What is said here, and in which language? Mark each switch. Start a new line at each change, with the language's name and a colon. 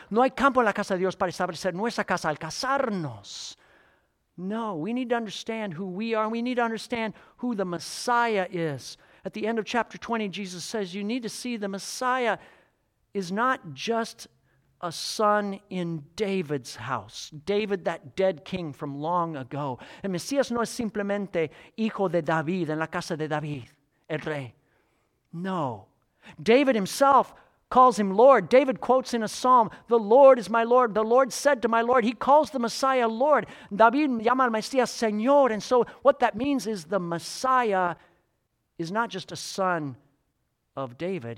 Spanish: No hay campo en la casa de Dios para establecer nuestra casa al casarnos.
English: No, we need to understand who we are. We need to understand who the Messiah is. At the end of chapter 20, Jesus says, you need to see the Messiah is not just a son in David's house. David, that dead king from long ago.
Spanish: El Mesías no es simplemente hijo de David en la casa de David, el rey.
English: No. David himself calls him Lord. David quotes in a psalm, the Lord is my Lord. The Lord said to my Lord. He calls the Messiah Lord.
Spanish: David llama al Mesías Señor.
English: And so what that means is the Messiah is not just a son of David.